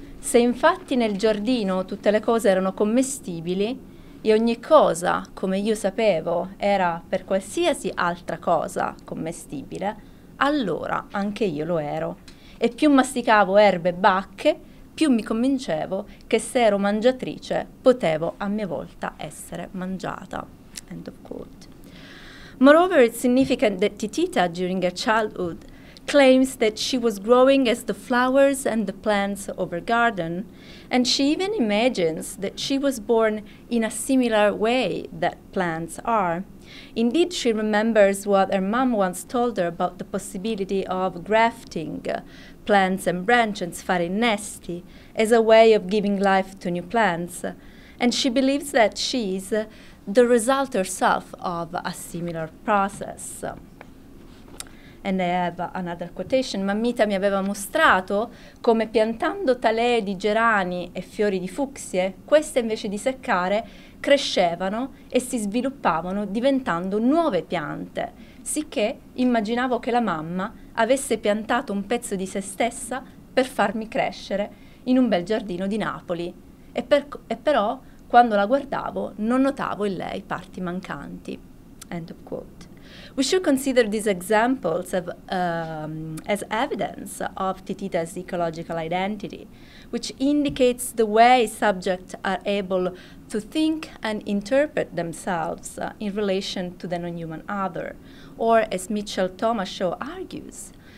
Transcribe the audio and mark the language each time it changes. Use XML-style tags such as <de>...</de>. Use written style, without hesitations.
<it>Se infatti nel giardino tutte le cose erano commestibili e ogni cosa, come io sapevo, era per qualsiasi altra cosa commestibile, allora anche io lo ero. E più masticavo erbe e bacche, più mi convincevo che se ero mangiatrice potevo a mia volta essere mangiata.</it> <en>End of quote. Moreover, it's significant that Titita, during her childhood, claims that she was growing as the flowers and the plants of her garden, and she even imagines that she was born in a similar way that plants are. Indeed, she remembers what her mom once told her about the possibility of grafting plants and branches,</en> <it>fare innesti,</it> <en>as a way of giving life to new plants, and she believes that she's the result herself of a similar process. And I have another quotation.</en> <it>Mammita mi aveva mostrato come piantando talee di gerani e fiori di fucsie, queste invece di seccare crescevano e si sviluppavano diventando nuove piante, sicché immaginavo che la mamma avesse piantato un pezzo di se stessa per farmi crescere in un bel giardino di Napoli. E però, quando la guardavo, non notavo in lei parti mancanti.</it> <en>End of quote. We should consider these examples of, as evidence of Titita's ecological identity, which indicates the way subjects are able to think and interpret themselves in relation to the non-human other, or as Mitchell Tomasho argues,</en>